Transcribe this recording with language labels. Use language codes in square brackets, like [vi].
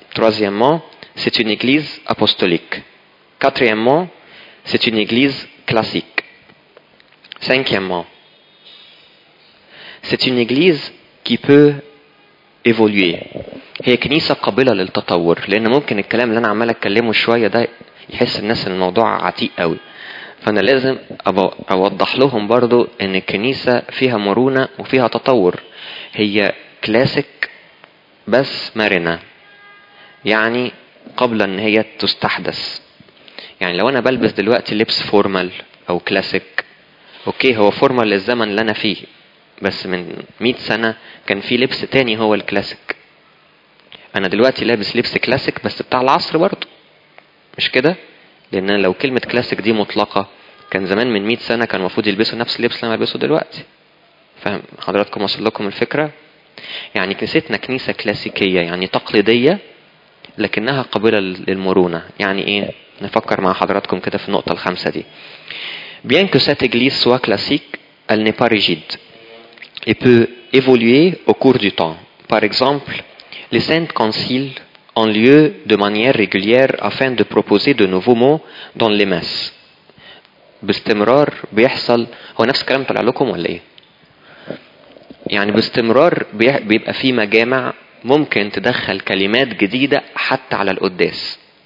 [fr] Troisièmement, c'est une Église apostolique. Quatrièmement, c'est une église classique. Cinquièmement, c'est une église qui peut évoluer. [ar] هي كنيسة قابلة للتطور، لأن ممكن الكلام اللي أنا عمال أتكلمه شوية ده يحس الناس إن الموضوع عتيق قوي. فأنا لازم أوضح لهم برضو إن الكنيسة فيها مرونة وفيها تطور. هي كلاسيك بس مرنة. يعني قبل إن هي تستحدث. يعني لو انا بلبس دلوقتي لبس فورمال او كلاسيك، اوكي هو فورمال للزمن اللي انا فيه، بس من 100 سنة كان في لبس تاني هو الكلاسيك. انا دلوقتي لابس لبس كلاسيك بس بتاع العصر برضو، مش كده؟ لان لو كلمة كلاسيك دي مطلقة كان زمان من 100 سنة كان مفروض يلبسوا نفس اللبس اللي انا بلبسه دلوقتي. فهم حضراتكم وصل لكم الفكرة؟ يعني كنيستنا كنيسة كلاسيكية، يعني تقليدية لكنها قابلة للمرونة. يعني ايه؟ نفكر مع حضراتكم كده في النقطة الخامسة دي. [fr] Bien que cette église soit classique, elle n'est pas rigide et peut évoluer au cours du temps. Par exemple, les saints conciles ont lieu de manière régulière afin de proposer de nouveaux mots dans les messes. [ar] باستمرار بيحصل. هو نفس الكلام طلع لكم ولا ايه؟ يعني باستمرار بيبقى في مجامع ممكن تدخل كلمات جديدة حتى على القداس.